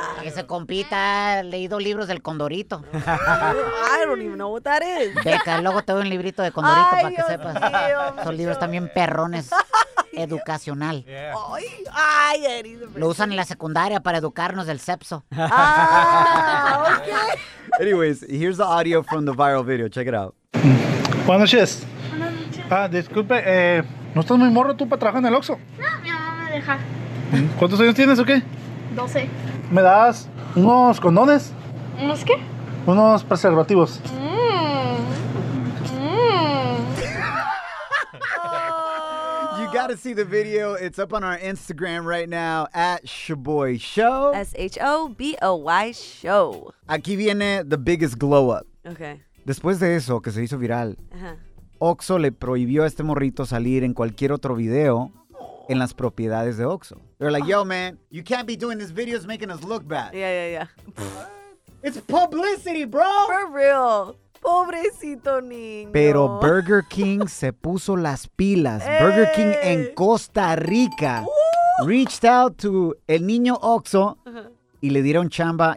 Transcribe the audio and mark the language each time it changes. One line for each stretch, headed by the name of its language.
Spanish: Ese compita ha leído libros del condorito.
English: I don't even know what that is.
Spanish: Beca, luego te doy un librito de condorito para que sepas. Son libros también perrones. Educacional.
English: Yeah. Ay,
Spanish: lo usan en la secundaria para educarnos del sepso.
English: Ah, okay. Anyways, here's the audio from the viral video. Check it out.
Spanish: Buenas noches. Buenas noches. Ah, disculpe, ¿no estás muy morro tú para trabajar en el Oxxo? No, mi mamá me deja. ¿Cuántos años tienes o qué? 12. ¿Me das unos condones? ¿Unos qué? Unos preservativos.
English: You gotta see the video. It's up on our Instagram right now at Shaboy Show. S-H-O-B-O-Y Show.
Spanish: Aquí viene
English: the biggest glow up. Okay.
Spanish: Después de eso, que se hizo viral, Oxxo le prohibió a este morrito salir en cualquier otro video en las propiedades de Oxxo.
English: They're like, yo, man, you can't be doing these videos making us look bad. Yeah. It's publicity, bro. For real.
Spanish: Pobrecito niño. Pero Burger King se puso las pilas. Hey. Burger King en Costa Rica
English: reached out to
Spanish: el niño Oxxo y le dieron chamba.